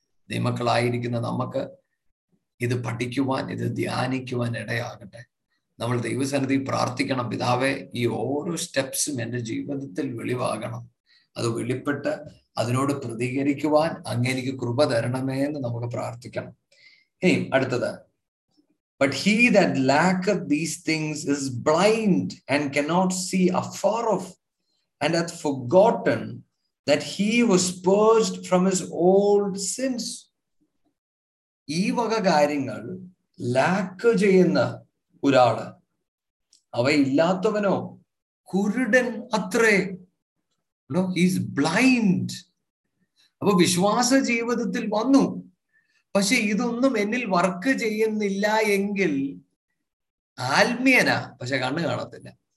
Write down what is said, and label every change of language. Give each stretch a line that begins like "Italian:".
Malayalam: ദൈവമക്കളായിരിക്കുന്ന നമുക്ക് ഇത് പഠിക്കുവാൻ ഇത് ധ്യാനിക്കുവാൻ ഇടയാകട്ടെ. നമ്മൾ ദൈവസന്നിധി പ്രാർത്ഥിക്കണം, പിതാവേ ഈ ഓരോ സ്റ്റെപ്സും എൻ്റെ ജീവിതത്തിൽ വെളിവാകണം. അത് വെളിപ്പെട്ട് അതിനോട് പ്രതികരിക്കുവാൻ അങ്ങേക്ക് കൃപ തരണമേ എന്ന് നമുക്ക് പ്രാർത്ഥിക്കണം. ഇനി അടുത്തത്,
English: But he that lacketh these things is blind and cannot see afar off, and hath forgotten that he was purged from his old sins.
Malayalam: ഈ വക കാര്യങ്ങൾ ലാക്ക് ചെയ്യുന്ന ഒരാള്, അവയില്ലാത്തവനോ കുരുടൻ അത്രേ.
English: He is blind.
Malayalam: അപ്പൊ വിശ്വാസ ജീവിതത്തിൽ വന്നു, പക്ഷെ ഇതൊന്നും എന്നിൽ വർക്ക് ചെയ്യുന്നില്ല എങ്കിൽ ആത്മീയനാ, പക്ഷെ കണ്ണ് കാണത്തില്ല.